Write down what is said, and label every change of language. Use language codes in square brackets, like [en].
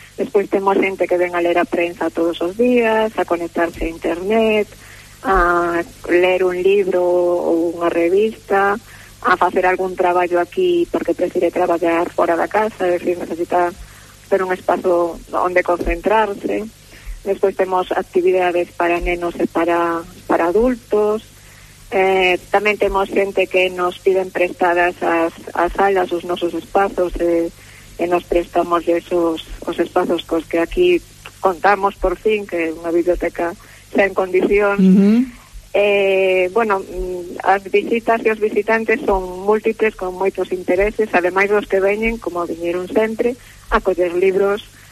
[gl] Despois temos xente que ven a ler a prensa todos os días, a conectarse a internet, a ler un libro ou unha revista, a facer algún traballo aquí porque prefire traballar fora da casa, é dicir, necesita ter un espazo onde concentrarse. [es] Después tenemos actividades para nenos y para adultos. También tenemos gente que nos piden prestadas [gl] as salas, os nosos espazos, e nos prestamos os espazos cos que aquí contamos por fin, que unha biblioteca xa en condición. Uh-huh. Bueno, as visitas e os visitantes son múltiples, con moitos intereses, ademais dos que veñen, como viñeron sempre, a coller libros